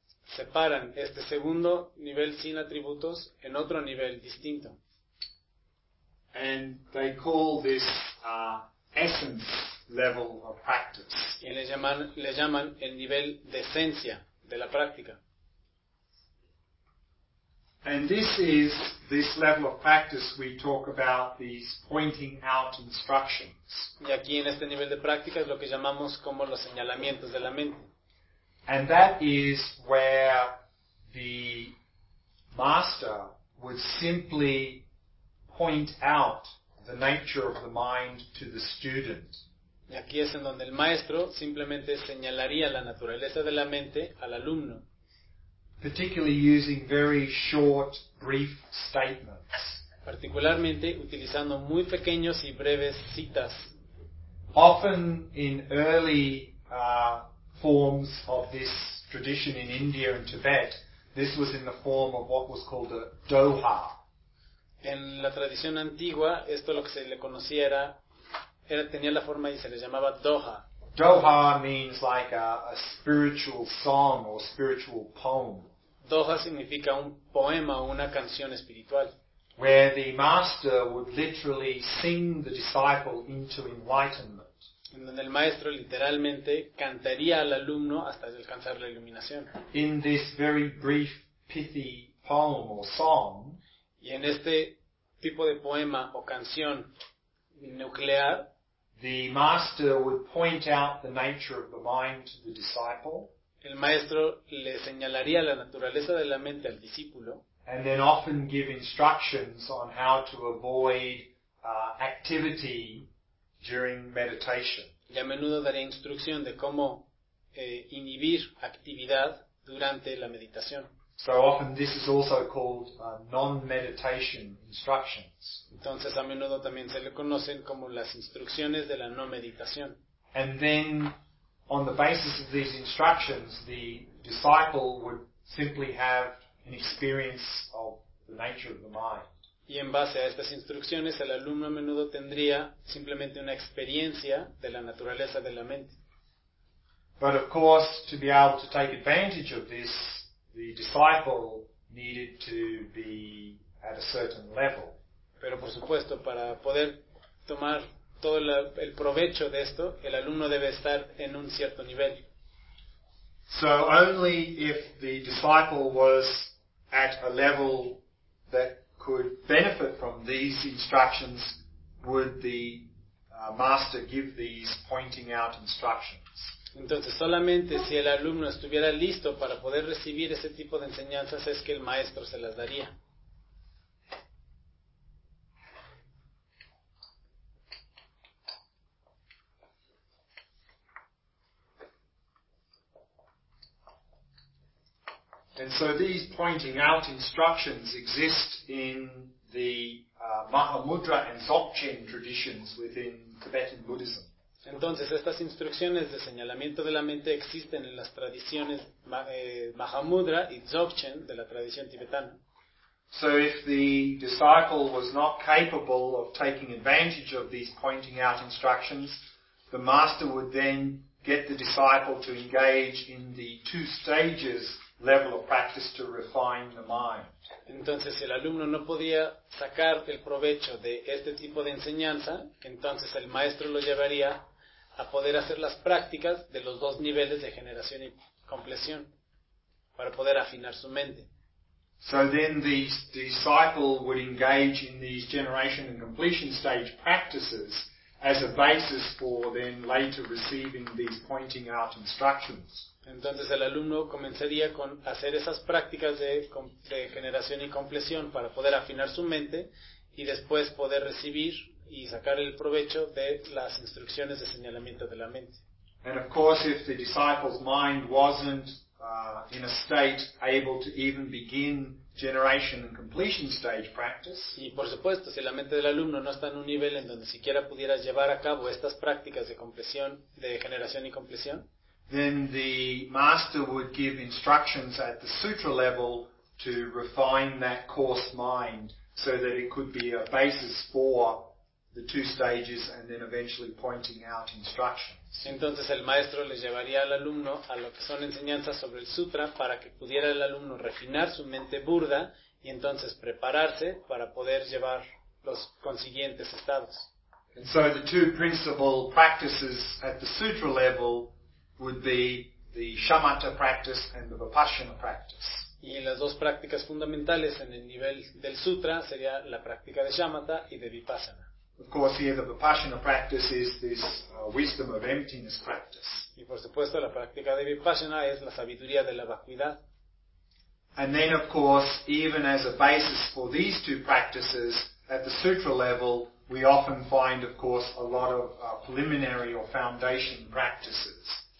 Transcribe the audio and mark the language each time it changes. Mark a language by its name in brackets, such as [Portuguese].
[Spanish] Separan este segundo nivel sin atributos en otro nivel distinto. [English] And they call this essence level of practice. [Spanish] Y le llaman el nivel de esencia de la práctica. [English] And this is this level of practice we talk about, these pointing out instructions. [Spanish] Y aquí en este nivel de práctica es lo que llamamos como los señalamientos de la mente. [English] And that is where the master would simply point out the nature of the mind to the student. [Spanish] Y aquí es en donde el maestro simplemente señalaría la naturaleza de la mente al alumno. [English] Particularly using very short, brief statements. [Spanish] Particularmente utilizando muy pequeños y breves citas. [English] Often in early forms of this tradition in India and Tibet, this was in the form of what was called a doha. [Spanish] En la tradición antigua, esto lo que se le conocía era tenía la forma y se le llamaba doha. [English] Doha means like a spiritual song or spiritual poem. [Spanish] Doha significa un poema o una canción espiritual. [English] Where the master would literally sing the disciple into enlightenment. [Spanish] En donde el maestro literalmente cantaría al alumno hasta alcanzar la iluminación. [English] In this very brief pithy poem or song. [Spanish] Y en este tipo de poema o canción nuclear. [English] The master would point out the nature of the mind to the disciple. [Spanish] El maestro le señalaría la naturaleza de la mente al discípulo. [English] And then often give instructions on how to avoid activity during meditation. [Spanish] Y a menudo daría instrucción de cómo inhibir actividad durante la meditación. [English] So often this is also called non-meditation instructions. [Spanish] Entonces a menudo también se le conocen como las instrucciones de la no meditación. [English] And then on the basis of these instructions, the disciple would simply have an experience of the nature of the mind. [Spanish] Y en base a estas instrucciones, el alumno a menudo tendría simplemente una experiencia de la naturaleza de la mente. [English] But of course, to be able to take advantage of this, the disciple needed to be at a certain level. [Spanish] Pero por supuesto, para poder tomar todo el provecho de esto, el alumno debe estar en un cierto nivel. [English] So only if the disciple was at a level that could benefit from these instructions would the master give these pointing out instructions. [Spanish] Entonces, solamente si el alumno estuviera listo para poder recibir ese tipo de enseñanzas es que el maestro se las daría. [English] And so these pointing out instructions exist in the Mahamudra and Dzogchen traditions within Tibetan Buddhism. [Spanish] Entonces estas instrucciones de señalamiento de la mente existen en las tradiciones Mahamudra y Dzogchen de la tradición tibetana. [English] So if the disciple was not capable of taking advantage of these pointing out instructions, the master would then get the disciple to engage in the two stages level of practice to refine the mind. [Spanish] Entonces, si el alumno no podía sacar el provecho de este tipo de enseñanza, entonces el maestro lo llevaría a poder hacer las prácticas de los dos niveles de generación y compleción para poder afinar su mente. [English] So then the disciple would engage in these generation and completion stage practices as a basis for then later receiving these pointing out instructions. [Spanish] Entonces el alumno comenzaría con hacer esas prácticas de generación y compleción para poder afinar su mente y después poder recibir y sacar el provecho de las instrucciones de señalamiento de la mente. [English] And of course if the disciple's mind wasn't in a state able to even begin generation and completion stage practice. [Spanish] Y por supuesto, si la mente del alumno no está en un nivel en donde siquiera pudiera llevar a cabo estas prácticas de compleción, de generación y compleción, [English] then the master would give instructions at the sutra level to refine that coarse mind so that it could be a basis for the two stages and then eventually pointing out instructions. [Spanish] Entonces el maestro le llevaría al alumno a lo que son enseñanzas sobre el sutra para que pudiera el alumno refinar su mente burda y entonces prepararse para poder llevar los consiguientes estados. [English] And so the two principal practices at the sutra level would be the shamatha practice and the vipassana practice. [Spanish] Y las dos prácticas fundamentales en el nivel del sutra sería la práctica de shamatha y de vipassana. [English] Of course, here the vipassana practice is this wisdom of emptiness practice. [Spanish] Y por supuesto, la práctica de vipassana es la sabiduría de la vacuidad. [English] And then, of course, even as a basis for these two practices at the sutra level, we often find, of course, a lot of preliminary or foundation practices.